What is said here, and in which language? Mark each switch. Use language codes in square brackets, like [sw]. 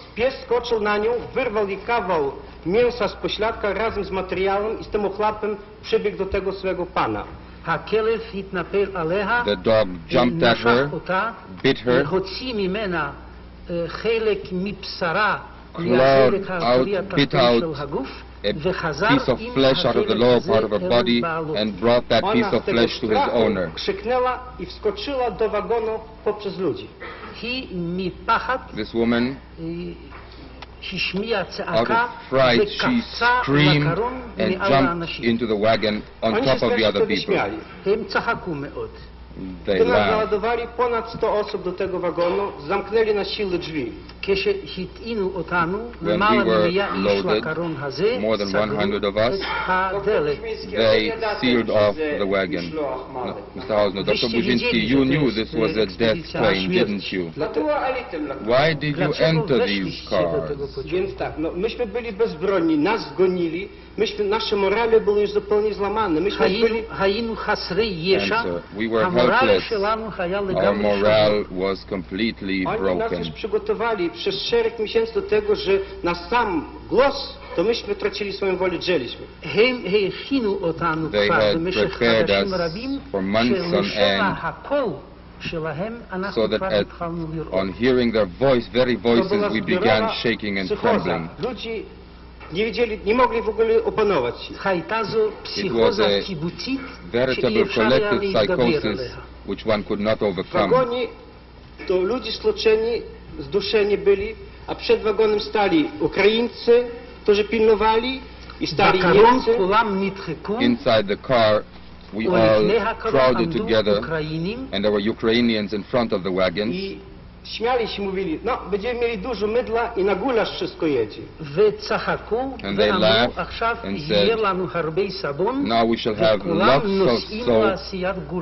[pl] Pies skoczył na nią, wyrwał jej kawał mięsa z pośladka razem z materiałem i z tym ochlapem przybiegł do tego swego pana. [en] The dog jumped at her, bit her, clawed out, bit out a piece of flesh out of the lower part of her body and brought that piece of flesh to his owner. This woman, out of fright, she screamed and jumped into the wagon on top of the other people. They [pl] naładowali ponad 100 osób do tego wagonu, zamknęli na siłę drzwi. [en] When we were loaded, more than 100 of us, they sealed off the wagon. Mr. Hausner, Dr. Bujinski, you knew this was a death train, didn't you? Why did you enter these cars? [pl] Myśmy byli bezbronni, nas gonili. Nasze morale były już zupełnie złamane. [en] We were helpless. Our morale was completely broken. [pl] Oni nas już przygotowali przez szereg miesięcy do tego, że na sam głos to myśmy tracili swoją wolę, dzieliśmy. [en] They had prepared us for months on end, so that on hearing their voice, very voices, we began shaking and trembling. [pl] Nie wiedzieli, nie mogli w ogóle opanować [en] się. It was a veritable collective psychosis which one could not overcome. [pl] W wagonie to ludzie stłoczeni, zduszeni byli, a przed wagonem stali Ukraińcy, którzy pilnowali, i stali Niemcy. [en] Inside the car we all crowded together and there were Ukrainians in front of the wagons. [pl] Śmiali się, mówili, no, będziemy mieli dużo mydla i na gulasz wszystko jedzie. [en] And they laughed and said, now we shall have lots of soap.